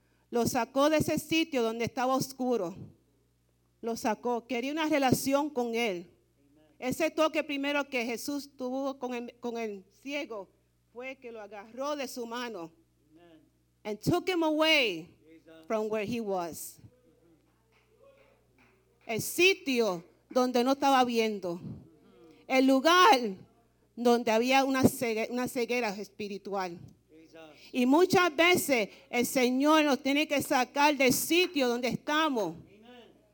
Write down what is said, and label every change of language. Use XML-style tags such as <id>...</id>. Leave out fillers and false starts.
<es>Lo sacó de ese sitio donde estaba oscuro. Lo sacó. Quería una relación con él. Ese toque primero que Jesús tuvo con el ciego fue que lo agarró de su mano. Amen.</es> <en>And took him away from where he was.</en> <es>El sitio donde no estaba viendo. El lugar donde había una ceguera espiritual. Y muchas veces el Señor nos tiene que sacar del sitio donde estamos. Amen.</es>